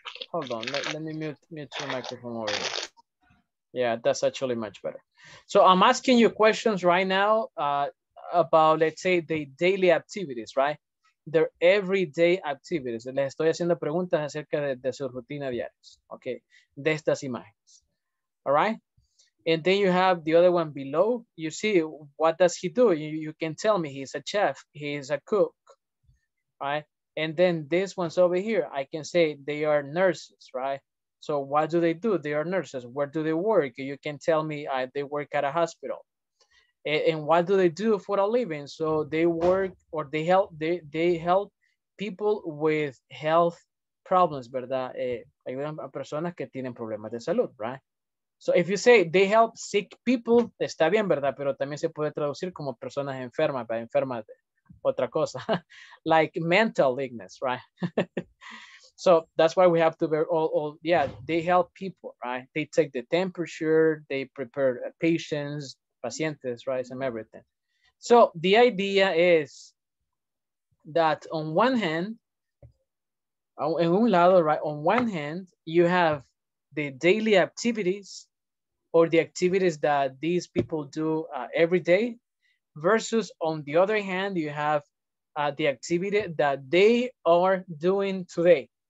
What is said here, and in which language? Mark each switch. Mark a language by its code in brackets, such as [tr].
[en] Hold on, let me mute your microphone over here. Yeah, that's actually much better. So I'm asking you questions right now about, let's say, the daily activities, right? Their everyday activities. [es] Les estoy haciendo preguntas acerca de su rutina diarias, okay? De estas imágenes, [en] all right? And then you have the other one below. You see, what does he do? You can tell me he's a chef, he's a cook, right? And then this one's over here. I can say they are nurses, right? So what do? They are nurses. Where do they work? You can tell me they work at a hospital, And what do they do for a living? So they work or they help, they help people with health problems, [es] ¿verdad? Ayudan a personas que tienen problemas de salud, [en] right? So if you say they help sick people, [es] está bien, ¿verdad? Pero también se puede traducir como personas enfermas, ¿verdad? Enfermas de otra cosa. [en] Like mental illness, right? So that's why we have to bear all, yeah, they help people, right? They take the temperature, they prepare patients, pacientes, right, and everything. So the idea is that on one hand, [es] en un lado, [en] right, on one hand, you have the daily activities or the activities that these people do every day, versus on the other hand, you have the activity that they are doing today.